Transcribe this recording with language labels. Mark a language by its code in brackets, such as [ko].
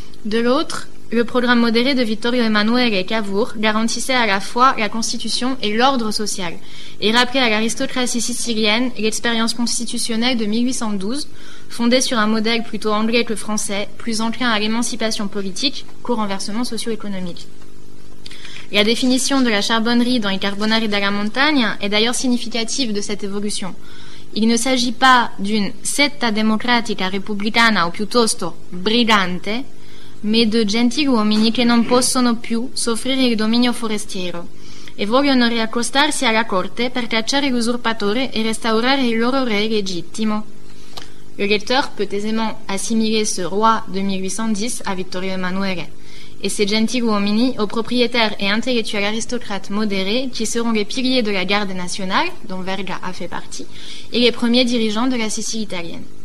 [fr] De l'autre, le programme modéré de Vittorio Emanuele Cavour garantissait à la fois la constitution et l'ordre social, et rappelait à l'aristocratie sicilienne l'expérience constitutionnelle de 1812, fondée sur un modèle plutôt anglais que français, plus enclin à l'émancipation politique qu'au renversement socio-économique. La définition de la charbonnerie dans I Carbonari della Montagna est d'ailleurs significative de cette évolution. Il ne s'agit pas d'une [it] setta democratica repubblicana, ou piuttosto brigante, [fr] mais de [it] gentiluomini che non possono più soffrire il dominio forestiero e vogliono riaccostarsi alla corte per cacciare l'usurpatore e restaurare il loro re legittimo. [fr] Le lecteur peut aisément assimiler ce roi de 1810 à Vittorio Emanuele et ces gentiluomini aux propriétaires et intellectuels aristocrates modérés qui seront les piliers de la garde nationale, dont Verga a fait partie, et les premiers dirigeants de la Sicile italienne.